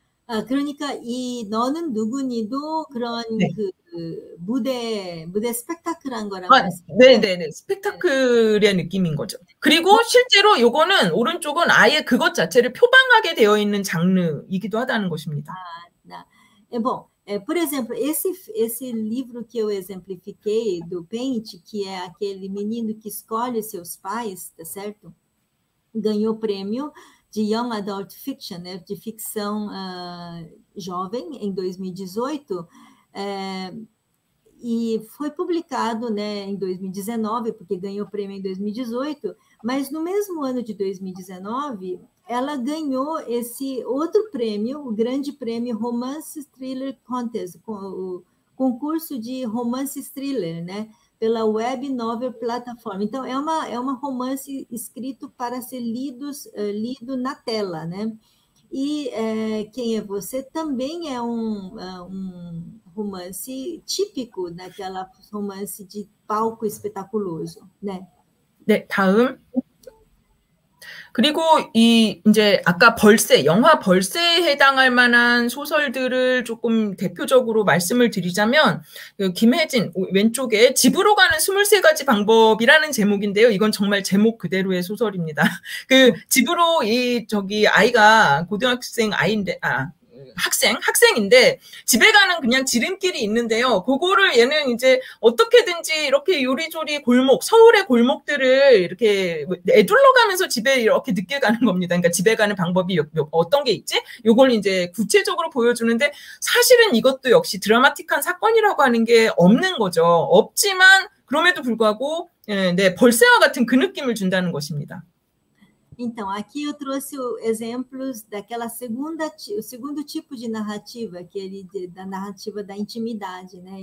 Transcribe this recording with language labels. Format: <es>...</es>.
<ko>아, 그러니까 이 너는 누구니도 그런 그 무대 스펙타클한 거란 아, 말씀이죠? 네네네. 스펙타클의 느낌인 거죠. 그리고 실제로 요거는 오른쪽은 아예 그것 자체를 표방하게 되어 있는 장르이기도 하다는 것입니다.</ko> <pt>뭐, por exemplo, esse livro que eu exemplifiquei do Paint, que é aquele menino que escolhe seus pais, tá certo? Ganhou prêmio de Young Adult Fiction, né, de ficção jovem, em 2018, e foi publicado, né, em 2019, porque ganhou o prêmio em 2018, Mas no mesmo ano de 2019, ela ganhou esse outro prêmio, o grande prêmio Romance Thriller Contest, o concurso de romance thriller, né? Pela Web Novel Plataforma. Então, é uma romance escrito para ser lido na tela, né? E Quem é Você também é um romance típico daquela romance de palco espetaculoso, né?</pt> <ko>네, 다음. 그리고 이 이제 아까 벌새, 영화 벌새에 해당할 만한 소설들을 조금 대표적으로 말씀을 드리자면 김혜진 왼쪽에 집으로 가는 23가지 방법이라는 제목인데요. 이건 정말 제목 그대로의 소설입니다. 그 집으로 이 저기 아이가 고등학생 아이인데 학생인데 집에 가는 그냥 지름길이 있는데요. 그거를 얘는 이제 어떻게든지 이렇게 요리조리 골목, 서울의 골목들을 이렇게 애둘러 가면서 집에 이렇게 늦게 가는 겁니다. 그러니까 집에 가는 방법이 어떤 게 있지? 요걸 이제 구체적으로 보여주는데 사실은 이것도 역시 드라마틱한 사건이라고 하는 게 없는 거죠. 없지만 그럼에도 불구하고 네, 벌새와 같은 그 느낌을 준다는 것입니다.</ko> <pt>Então, aqui eu trouxe exemplos daquela segunda, o segundo tipo de narrativa, aquele da narrativa da intimidade, né?</pt>